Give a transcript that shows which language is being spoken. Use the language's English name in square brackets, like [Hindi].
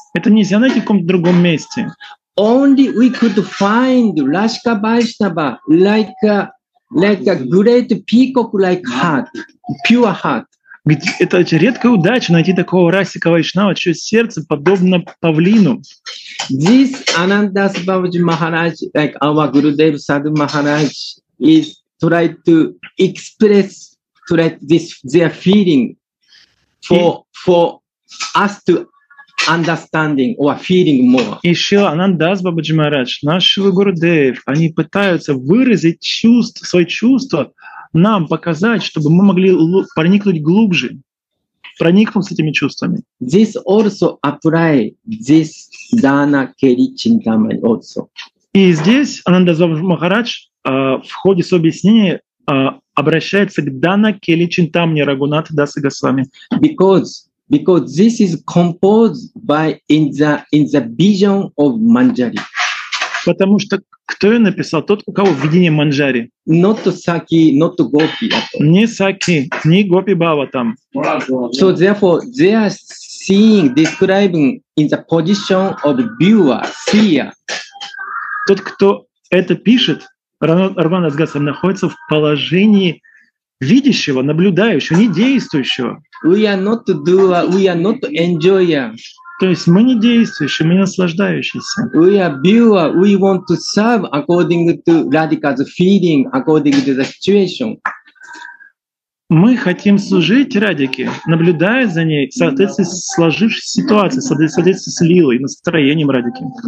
[Russian] Это нельзя найти в каком-то другом месте. [English] Only we could find Rashika Vaishnava like a great peacock like heart, pure heart. [Russian] Это очень редкая удача найти такого Расика Вайшнава, чье сердце подобно павлину. [English] This Anandas Babaji Maharaj, like our Gurudev Sadhu Maharaj, is try to express this their feeling for us to understanding or feeling more. [Russian] И Шрила Анандас Бабаджи Махарадж, нашего Гурудев, они пытаются выразить свои чувства. Нам показать, чтобы мы могли проникнуть глубже, проникнуть с этими чувствами. [English] This also apply this dana keri chintamani also. [Russian] И здесь Ананда Махарадж в ходе своего объяснения обращается к дана кели чинтамани Рагунат Даса Госвами. [English] Because this is composed by in the vision of Manjari. [Russian] Потому что кто ее написал? Тот, у кого видение Манджари. [English] Not Саки, not Гопи. [Russian] Не Саки, не Гопи Бава там. [English] So therefore, they are seeing, describing in the position of viewer, seer. [Russian] Тот, кто это пишет, Рагунатха Дасгасвами, находится в положении видящего, наблюдающего, не действующего. [English] We are not doer, we are not enjoyer. [Russian] То есть мы не действующие, мы не наслаждающиеся. [English] We are viewer. We want to serve according to Radhika's feeling, according to the situation. [Russian] Мы хотим служить Радике, наблюдая за ней, в соответствии с сложившейся ситуацией, в соответствии с лилой, настроением Радики.